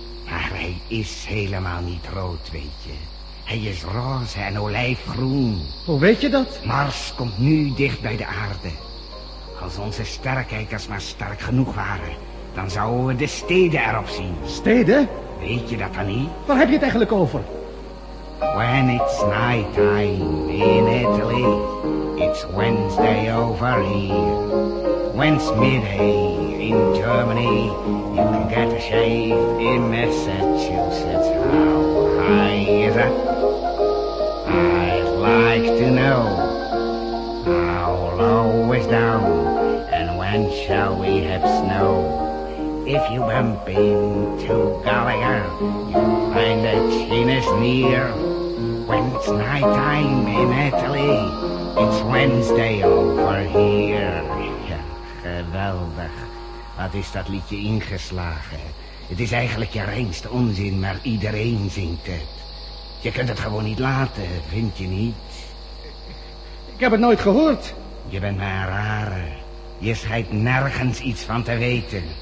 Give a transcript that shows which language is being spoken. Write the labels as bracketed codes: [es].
[nl] Maar hij is helemaal niet rood, weet je. Hij is roze en olijfgroen. Hoe weet je dat? Mars komt nu dicht bij de aarde. Als onze sterrenkijkers maar sterk genoeg waren, dan zouden we de steden erop zien. Steden? Weet je dat dan niet? Waar heb je het eigenlijk over? [en] When it's night time in Italy, it's Wednesday over here. When it's midday in Germany, you can get a shave in Massachusetts. How high is it? I'd like to know. How low is down? And when shall we have snow? If you bump into Gallagher, you'll find a chinist near. When it's night time in Italy, it's Wednesday over here. [nl] Ja, geweldig. Wat is dat liedje ingeslagen? Het is eigenlijk je reinste onzin, maar iedereen zingt het. Je kunt het gewoon niet laten, vind je niet? Ik heb het nooit gehoord. Je bent maar een rare. Je schijnt nergens iets van te weten.